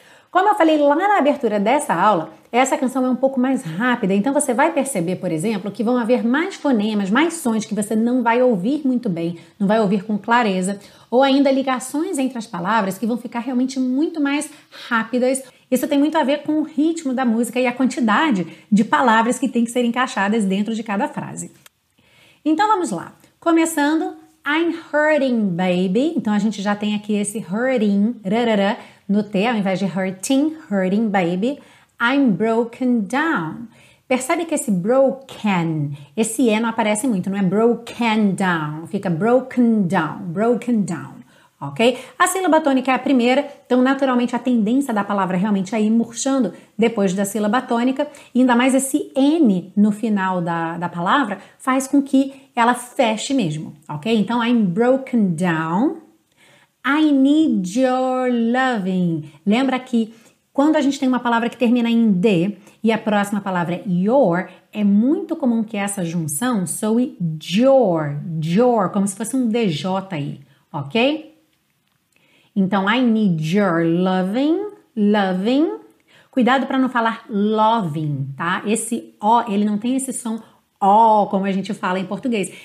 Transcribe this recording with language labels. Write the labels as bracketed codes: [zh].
[pt] Como eu falei lá na abertura dessa aula, essa canção é um pouco mais rápida, então você vai perceber, por exemplo, que vão haver mais fonemas, mais sons que você não vai ouvir muito bem, não vai ouvir com clareza, ou ainda ligações entre as palavras que vão ficar realmente muito mais rápidas. Isso tem muito a ver com o ritmo da música e a quantidade de palavras que tem que ser encaixadas dentro de cada frase. Então vamos lá. Começando, [en] I'm hurting, baby. [pt] Então a gente já tem aqui esse hurting, rarará, no T, ao invés de hurting, [en] hurting, baby. I'm broken down. [pt] Percebe que esse broken, esse E não aparece muito, não é [en] broken down. Fica broken down, broken down. Ok? [pt] A sílaba tônica é a primeira, então naturalmente a tendência da palavra realmente é ir murchando depois da sílaba tônica, e ainda mais esse N no final da palavra faz com que ela feche mesmo, ok? [en] Então, I'm broken down, I need your loving. [pt] Lembra que quando a gente tem uma palavra que termina em D e a próxima palavra é your, é muito comum que essa junção soe your, your, como se fosse um DJ aí, ok? [en] Então, I need your loving, loving. [pt] Cuidado para não falar loving, tá? Esse O, ele não tem esse som O, como a gente fala em português.